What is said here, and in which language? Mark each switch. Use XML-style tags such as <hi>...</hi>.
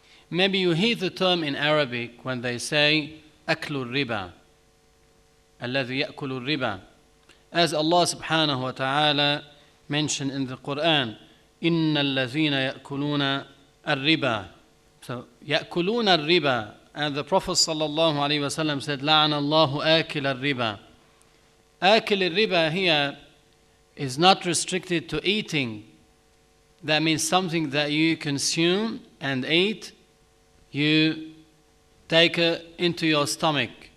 <en>Maybe you hear the term in Arabic when they say,</en> <ar>أَكْلُ الرِّبَى أَلَّذِي يَأْكُلُ الرِّبَى.</ar> <en>As Allah subhanahu wa ta'ala mentioned in the Quran,</en> <ar>إِنَّ الَّذِينَ يَأْكُلُونَ الرِّبَى.</ar> <en>So,</en> <ar>يَأْكُلُونَ الرِّبَى.</ar> <en>And the Prophet sallallahu alayhi wa sallam said,</en> <ar>لَعَنَ اللَّهُ آكِلَ الرِّبَى. آكِلَ الرِّبَى</ar> <en>here is not restricted to eating. That means something that you consume and eat, you take into your stomach.</en>